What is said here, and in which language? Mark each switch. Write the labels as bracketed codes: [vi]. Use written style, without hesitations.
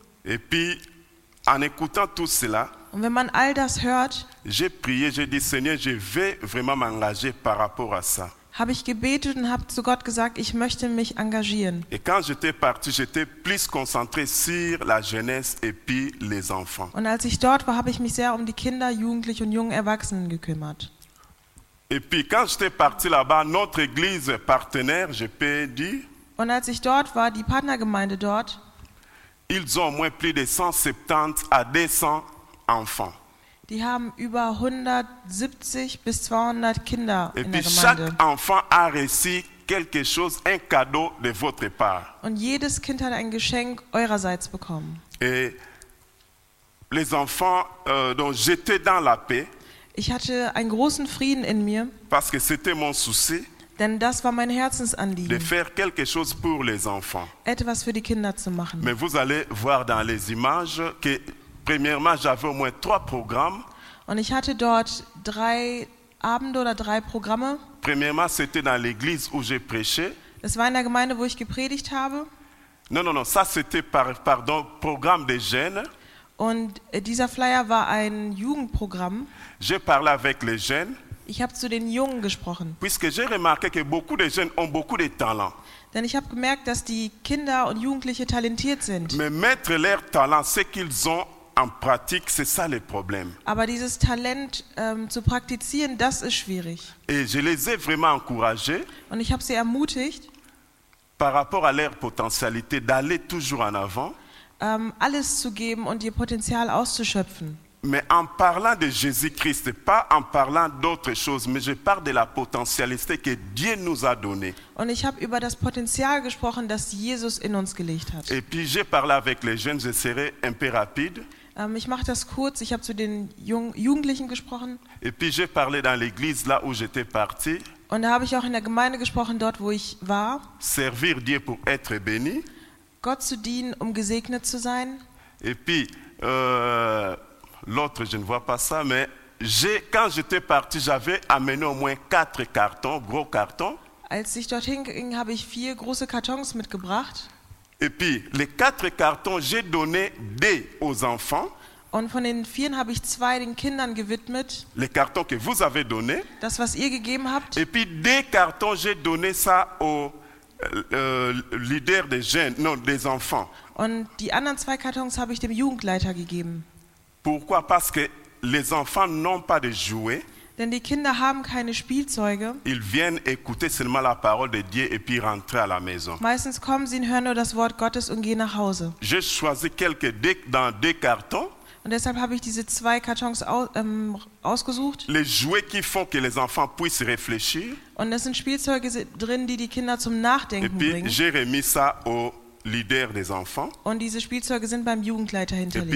[fr] Et puis en écoutant tout cela, [de] und wenn man all das hört, [fr] j'ai prié, j'ai dit Seigneur, je vais vraiment m'engager par rapport à ça. [de] Habe ich gebetet und habe zu Gott gesagt, ich möchte mich engagieren. [fr] Et quand j'étais parti, j'étais plus concentré sur la jeunesse et puis les enfants. [de] Und als ich dort war, habe ich mich sehr um die Kinder, Jugendliche und jungen Erwachsenen gekümmert. [fr] Et puis quand j'étais parti là-bas, notre église partenaire, je peux dire. [de] Und als ich dort war, die Partnergemeinde dort. [fr] Ils ont au moins plus de 170 à 200 enfants. [de] Die haben über 170 bis 200 Kinder in der Gemeinde. [fr] Chaque enfant a reçu quelque chose, un cadeau de votre part. [de] Und jedes Kind hat ein Geschenk eurerseits bekommen. [fr] Et les enfants, donc j'étais dans la paix. [de] Ich hatte einen großen Frieden in mir. [fr] Parce que c'était mon souci. [de] Denn das war mein Herzensanliegen. [fr] De faire quelque chose pour les enfants. [de] Etwas für die Kinder zu machen. [fr] Mais vous allez voir dans les images que premièrement j'avais au moins trois programmes. [de] Und ich hatte dort drei Abende oder drei Programme. [fr] Premièrement, c'était dans l'église où j'ai prêché. [de] Es war in der Gemeinde, wo ich gepredigt habe. [fr] Non, ça c'était pardon, programme des jeunes. [de] Und dieser Flyer war ein Jugendprogramm. [fr] J'ai parlé avec les jeunes. [de] Ich habe zu den Jungen gesprochen. [fr] Puisque j'ai remarqué que beaucoup de jeunes ont beaucoup de talents. [de] Denn ich habe gemerkt, dass die Kinder und Jugendliche talentiert sind. [fr] Mais mettre leur talent, ce qu'ils ont en pratique, c'est ça le problème. [de] Aber dieses Talent zu praktizieren, das ist schwierig. [fr] Et je les ai vraiment encouragés. [de] Und ich habe sie ermutigt. [fr] Par rapport à leur potentialité, d'aller toujours en avant. [de] Alles zu geben und ihr Potenzial auszuschöpfen. [fr] Mais en parlant de Jésus-Christ, pas en parlant d'autres choses, mais je parle de la potentialité que Dieu nous a donnée. [de] Und ich habe über das Potenzial gesprochen, das Jesus in uns gelegt hat. [fr] Et puis j'ai parlé avec les jeunes, je serai un peu rapide. [de] Ich mache das kurz, ich habe zu den Jugendlichen gesprochen. [fr] Et puis j'ai parlé dans l'église, là où j'étais parti. [de] Und da habe ich auch in der Gemeinde gesprochen, dort wo ich war. [fr] Servir Dieu pour être béni. [de] Gott zu dienen, um gesegnet zu sein. [fr] Et puis, l'autre, je ne vois pas ça, mais quand j'étais parti, j'avais amené au moins quatre cartons, gros cartons. [de] Als ich dorthin ging, habe ich vier große Kartons mitgebracht. [fr] Et puis, les quatre cartons, j'ai donné deux aux enfants. [de] Und von den vier habe ich zwei den Kindern gewidmet. [fr] Les cartons que vous avez donné. [de] Das, was ihr gegeben habt. [fr] Et puis, deux cartons, j'ai donné ça aux leader des jeunes, non, des enfants. [de] Und die anderen zwei Kartons habe ich dem Jugendleiter gegeben. [fr] Pourquoi? Parce que les enfants n'ont pas de jouets. [de] Denn die Kinder haben keine Spielzeuge. [fr] Ils viennent écouter seulement la parole de Dieu et puis rentrer à la maison. [de] Meistens kommen sie und hören nur das Wort Gottes und gehen nach Hause. [fr] J'ai choisi quelques dans deux cartons. [de] Und deshalb habe ich diese zwei Kartons ausgesucht. [fr] Les jouets qui font que les enfants puissent réfléchir. [de] Und es sind Spielzeuge drin, die die Kinder zum Nachdenken [fr] et puis, [de] bringen. [fr] J'ai remis ça au leader des enfants. [de] Und diese Spielzeuge sind beim Jugendleiter hinterlegt.